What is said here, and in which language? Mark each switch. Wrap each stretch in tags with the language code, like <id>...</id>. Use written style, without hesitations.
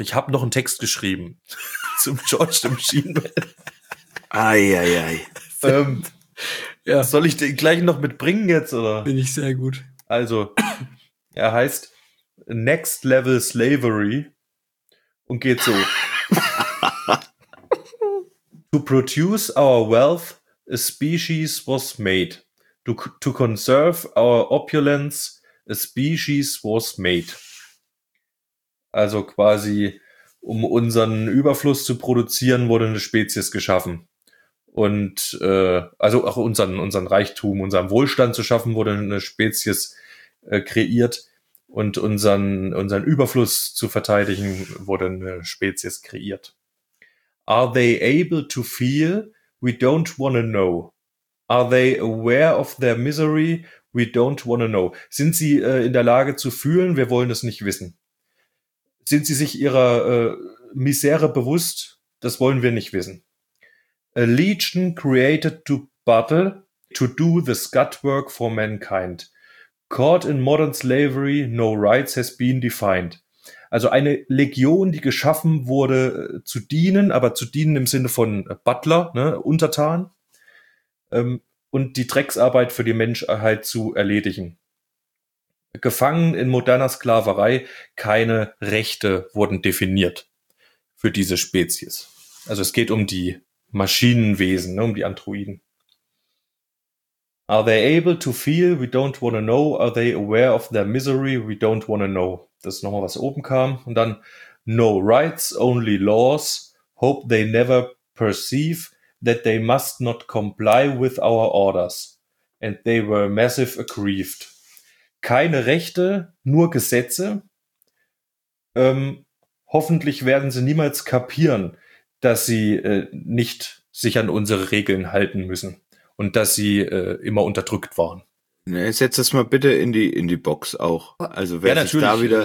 <de>Ich habe noch einen Text geschrieben zum George the Machine Man. Eieiei. Ja. Soll ich den gleich noch mitbringen jetzt, oder? Bin ich sehr gut. Also, er heißt Next Level Slavery und geht so.</de> <en>To produce our wealth, a species was made. To conserve our opulence, a species was made.</en> <de>Also quasi, um unseren Überfluss zu produzieren, wurde eine Spezies geschaffen. Und also auch unseren Reichtum, unseren Wohlstand zu schaffen, wurde eine Spezies kreiert. Und unseren Überfluss zu verteidigen, wurde eine Spezies kreiert.</de> <en>Are they able to feel? We don't want to know. Are they aware of their misery? We don't want to know.</en> <de>Sind sie in der Lage zu fühlen? Wir wollen es nicht wissen. Sind sie sich ihrer Misere bewusst? Das wollen wir nicht wissen.</de> <en>A legion created to battle, to do the scut work for mankind. Caught in modern slavery, no rights has been defined.</en> <de>Also eine Legion, die geschaffen wurde zu dienen, aber zu dienen im Sinne von Butler, ne, Untertan, und die Drecksarbeit für die Menschheit zu erledigen. Gefangen in moderner Sklaverei, keine Rechte wurden definiert für diese Spezies. Also es geht um die Maschinenwesen, ne, um die Androiden.</de> <en>Are they able to feel? We don't want to know. Are they aware of their misery? We don't want to know.</en> <de>Das ist nochmal, was oben kam. Und dann,</de> <en>no rights, only laws. Hope they never perceive that they must not comply with our orders. And they were massive aggrieved.</en> <de>Keine Rechte, nur Gesetze. Hoffentlich werden sie niemals kapieren, dass sie nicht sich an unsere Regeln halten müssen. Und dass sie immer unterdrückt waren. Ne, setz das mal bitte in die Box auch. Also wer ja, sich da wieder</de>